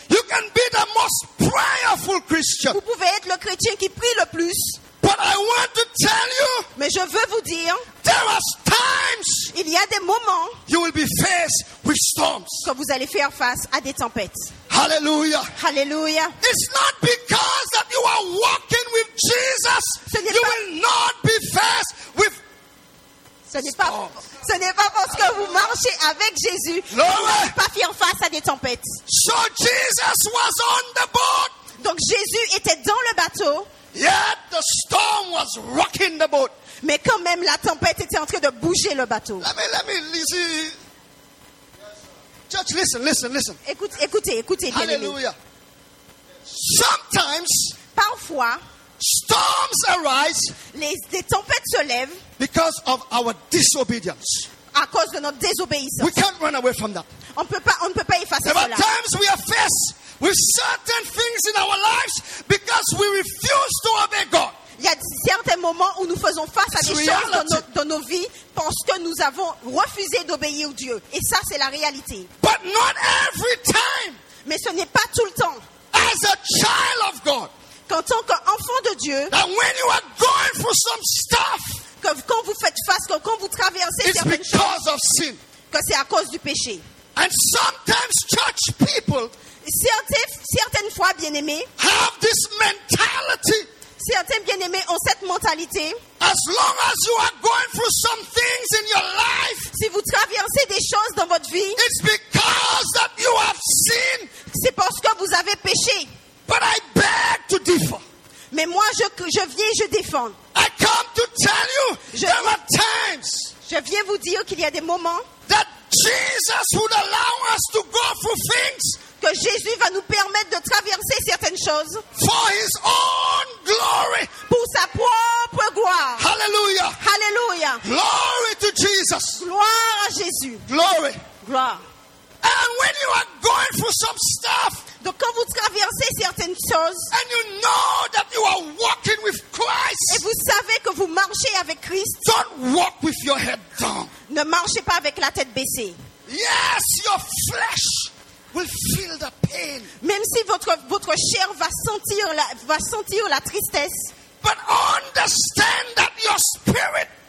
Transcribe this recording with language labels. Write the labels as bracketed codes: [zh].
[en] You can be the most prayerful Christian. [fr] Vous pouvez être le chrétien qui prie le plus. [en] But I want to tell you, [fr] mais je veux vous dire, [en] there are times, [fr] il y a des moments, [en] you will be faced with storms. [fr] Que vous allez faire face à des tempêtes. [en] Hallelujah. [fr] Hallelujah. [en] It's not because that you are walking with Jesus, you will not be faced with [fr] Ce n'est pas parce que vous marchez avec Jésus [en] Lord, [fr] vous n'allez pas faire face à des tempêtes. [en] So Jesus was on the boat. [fr] Donc Jésus était dans le bateau. [en] Yet the storm was rocking the boat. [fr] Mais quand même la tempête était en train de bouger le bateau. [en] Let me listen. Church, listen. [fr] Écoutez. [en] Hallelujah. Sometimes, [fr] parfois, [en] storms arise. [fr] Les tempêtes se lèvent. [en] Because of our disobedience. [fr] À cause de notre désobéissance. [en] We can't run away from that. [fr] On ne peut pas effacer cela. [en] There are times we are faced with certain things in our lives because we refuse to obey God. [fr] Il y a certains moments où nous faisons face à des choses dans nos vies parce que nous avons refusé d'obéir à Dieu. Et ça, c'est la réalité. [en] But not every time. [fr] Mais ce n'est pas tout le temps. [en] As a child of God. [fr] Qu'en tant qu'enfant de Dieu. [en] That when you are going through some stuff. [fr] Que quand vous faites face, quand vous traversez certaines choses, [en] of sin. [fr] Que c'est à cause du péché. [en] And sometimes church people [fr] certaines fois, bien-aimés, [en] have this mentality. [fr] Certains bien-aimés ont cette mentalité. [en] As long as you are going through some things in your life, [fr] si vous traversez des choses dans votre vie, [en] it's because that you have sinned. [fr] C'est parce que vous avez péché. [en] But I beg to differ. [fr] Mais moi, je viens, je défends. [en] I come to tell you, there are times. [fr] Je viens vous dire qu'il y a des moments [en] that Jesus would allow us to go through things [fr] que Jésus va nous permettre de traverser certaines choses [en] for His own glory. [fr] Pour sa propre gloire. [en] Hallelujah. [fr] Hallelujah. [en] Glory to Jesus. [fr] Gloire à Jésus. [en] Glory. [fr] Gloire. [en] And when you are going through some stuff. [fr] Donc quand vous traversez certaines choses, [en] and you know that you are walking with Christ, [fr] et vous savez que vous marchez avec Christ, [en] don't walk with your head down. [fr] Ne marchez pas avec la tête baissée. [en] Yes, your flesh will feel the pain. [fr] Même si votre chair va sentir la tristesse, [en] but understand that your spirit,